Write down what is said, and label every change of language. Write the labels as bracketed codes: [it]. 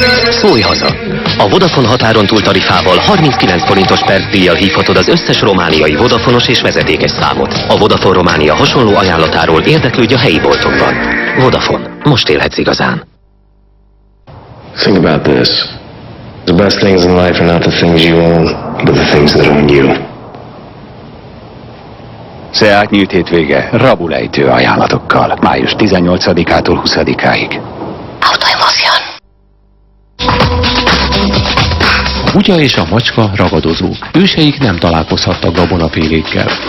[hu] Szólj haza! A Vodafone határon túl tarifával 39 forintos percdíjjal hívhatod az összes romániai Vodafone-os és vezetékes számot. A Vodafone Románia hasonló ajánlatáról érdeklődj a helyi boltokban. Vodafone. Most élhetsz igazán. [en] Think about this. The best things in life are not the things you own, but the things that own you. [hu] Seat nyílt hétvége rabulejtő ajánlatokkal. Május 18-ától 20-áig. Autoemotion. A kutya és a macska ragadozó. Őseik nem találkozhattak gabonafélékkel.